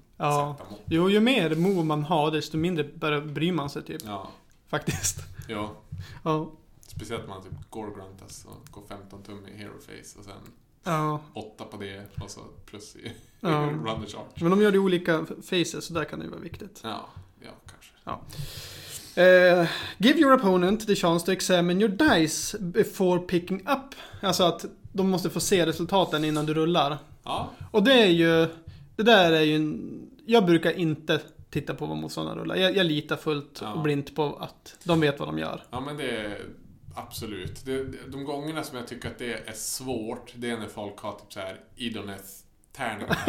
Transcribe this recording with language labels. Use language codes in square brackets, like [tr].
[sv] ja. Sätta mot. Jo, ju mer move man har, desto mindre bryr man sig typ. Ja. Faktiskt. Ja. Ja. Speciellt man typ går gruntas och går 15 tum i hero face och sen ja. 8 på det och så plus i ja. Runner charge. Men de gör det olika faces, så där kan det ju vara viktigt. Ja. Ja, kanske. Ja. [en] Give your opponent the chance to examine your dice before picking up. [sv] Alltså att de måste få se resultaten innan du rullar. Ja. Och det är ju... Det där är ju... Jag brukar inte titta på vad motståndarna rullar. Jag litar fullt och blint på att de vet vad de gör. Ja, men det är absolut. Det, de gångerna som jag tycker att det är svårt, det är när folk har typ så här idonet-tärningar.